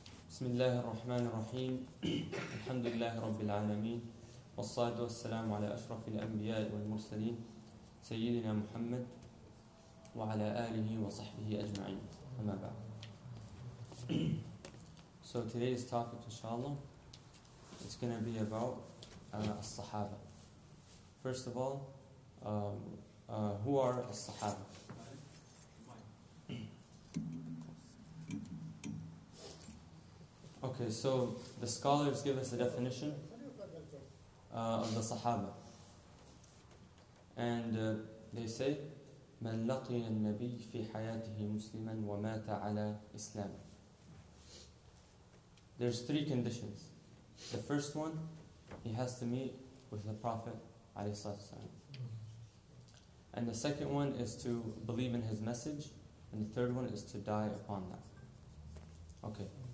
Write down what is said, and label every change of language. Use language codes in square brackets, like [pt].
[ar] بسم الله الرحمن الرحيم الحمد لله رب العالمين والصلاة والسلام على أشرف الأنبياء والمرسلين سيدنا محمد وعلى آله وصحبه أجمعين أما بعد. [en] So today's topic, inshallah, it's going to be about الصحابة. First of all, who are الصحابة? Okay, so the scholars give us a definition of the Sahaba. And they say, [ar] مَنْ لَقِيَ النَّبِيِّ فِي حَيَاتِهِ مُسْلِمًا وَمَاتَ عَلَى إِسْلَامٍ. [en] There's three conditions. The first one, he has to meet with the Prophet عليه الصلاة والسلام. And the second one is to believe in his message. And the third one is to die upon that. Okay.